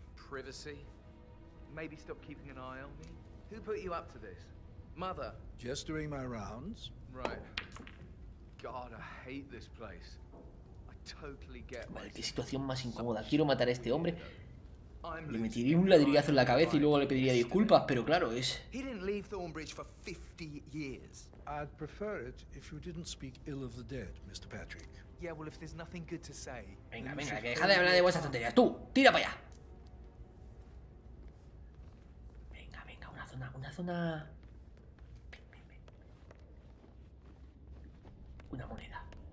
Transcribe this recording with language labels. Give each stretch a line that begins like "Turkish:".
English: Privacy? Maybe stop keeping an eye on me? Who put you up to this? Mother? Just doing my rounds. Right. God, I hate this place. I totally get
Spanish: this. Vale, qué situación más incómoda. Quiero matar a este hombre. Le metería un ladrillazo en la cabeza y luego le pediría disculpas, pero claro, es...
English: He didn't leave Thornbridge for 50 years. I'd prefer it if you didn't speak ill of the dead, Mr. Patrick. Yeah, well, if there's nothing good to say...
Spanish: Venga, que deja de hablar de vuestras tonterías. Tú, tira para allá. Venga, una zona... Una moneda.